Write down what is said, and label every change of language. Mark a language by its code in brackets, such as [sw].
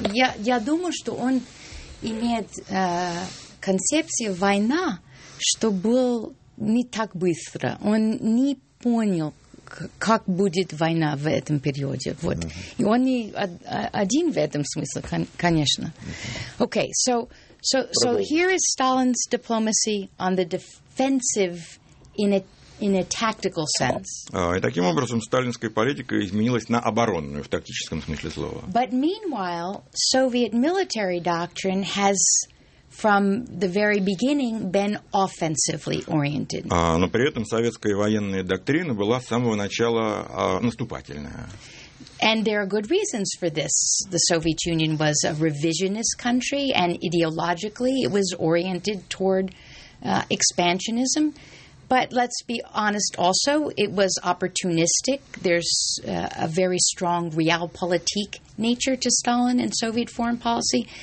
[ru] Я думаю, что он имеет концепцию «война», что был не так быстро. Он не понял, как будет война в этом периоде. Вот. Uh-huh. И он не один в этом смысле, конечно. [en] Okay, so here is Stalin's diplomacy on the defensive in a tactical sense. [ru] И таким образом сталинская политика изменилась на оборонную в тактическом смысле слова. [en] But meanwhile, Soviet military doctrine has from the very beginning been offensively oriented. [ru] Но при этом советская военная доктрина была с самого начала наступательная. [en] And there are good reasons for this. The Soviet Union was a revisionist country, and ideologically it was oriented toward expansionism. But let's be honest also, it was opportunistic. There's a very strong realpolitik nature to Stalin and Soviet foreign policy.